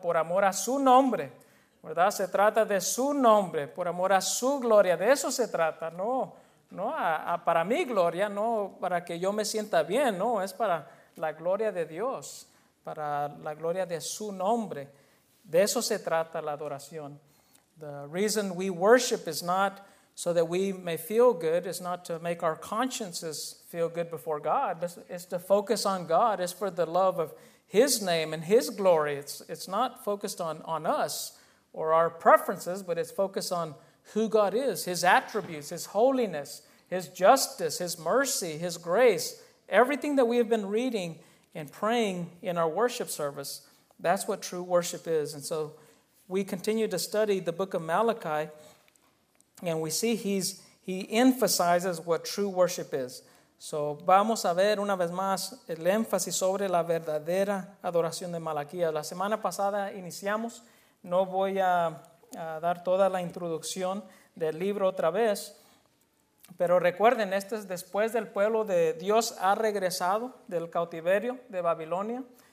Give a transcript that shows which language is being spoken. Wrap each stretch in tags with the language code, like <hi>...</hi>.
<es>Por amor a su nombre, ¿verdad? Se trata de su nombre, por amor a su gloria, de eso se trata, ¿no? No a para mi gloria, no para que yo me sienta bien, no, es para la gloria de Dios, para la gloria de su nombre. De eso se trata la adoración.</es> <en>The reason we worship is not so that we may feel good, it's not to make our consciences feel good before God, it's to focus on God, it's for the love of His name and His glory. It's not focused on us or our preferences, but it's focused on who God is, His attributes, His holiness, His justice, His mercy, His grace, everything that we have been reading and praying in our worship service. That's what true worship is. And so we continue to study the book of Malachi, and we see he emphasizes what true worship is.</en> <es>So vamos a ver una vez más el énfasis sobre la verdadera adoración de Malaquías. La semana pasada iniciamos, no voy a dar toda la introducción del libro otra vez, pero recuerden, este es después del pueblo de Dios ha regresado del cautiverio de Babilonia.</es>